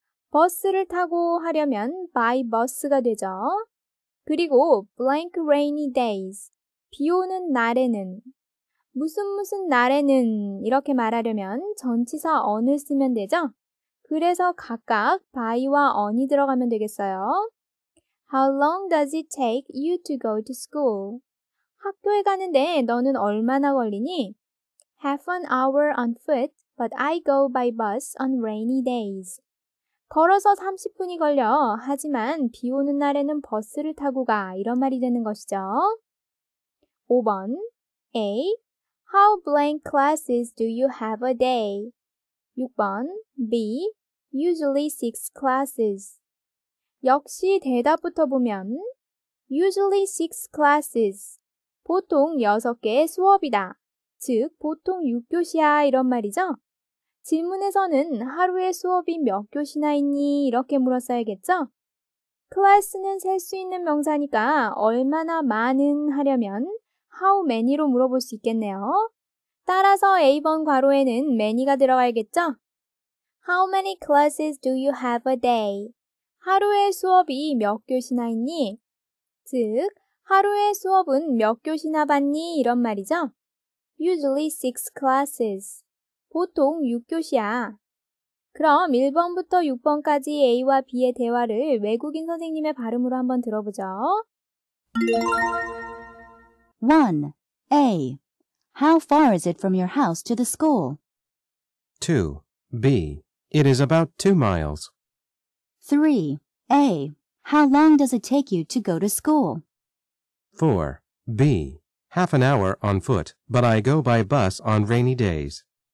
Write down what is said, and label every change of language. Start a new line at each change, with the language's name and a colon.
Korean: 버스를 타고 하려면
English: by bus
Korean: 가 되죠. 그리고
English: blank rainy days.
Korean: 비 오는 날에는 무슨 무슨 날에는 이렇게 말하려면 전치사 on을 쓰면 되죠? 그래서 각각 by와 on이 들어가면 되겠어요.
English: How long does it take you to go to school?
Korean: 학교에 가는데 너는 얼마나 걸리니?
English: Half an hour on foot, but I go by bus on rainy days.
Korean: 걸어서 30분이 걸려, 하지만 비 오는 날에는 버스를 타고 가, 이런 말이 되는 것이죠. 5번 A.
English: How blank classes do you have a day? 6번 B. Usually 6 classes.
Korean: 역시 대답부터 보면
English: Usually 6 classes.
Korean: 보통 6개의 수업이다. 즉, 보통 6교시야 이런 말이죠. 질문에서는 하루에 수업이 몇 교시나 있니? 이렇게 물었어야겠죠? Class는 셀 수 있는 명사니까 얼마나 많은 하려면 How many로 물어볼 수 있겠네요. 따라서 A번 괄호에는 many가 들어가야겠죠?
English: How many classes do you have a day?
Korean: 하루에 수업이 몇 교시나 있니? 즉, 하루에 수업은 몇 교시나 받니? 이런 말이죠.
English: Usually 6 classes.
Korean: 보통 6교시야. 그럼 1번부터 6번까지 A와 B의 대화를 외국인 선생님의 발음으로 한번 들어보죠.
English: 1. A. How far is it from your house to the school? 2. B. It is about 2 miles. 3. A. How long does it take you to go to school? 4. B. Half an hour on foot, but I go by bus on rainy days.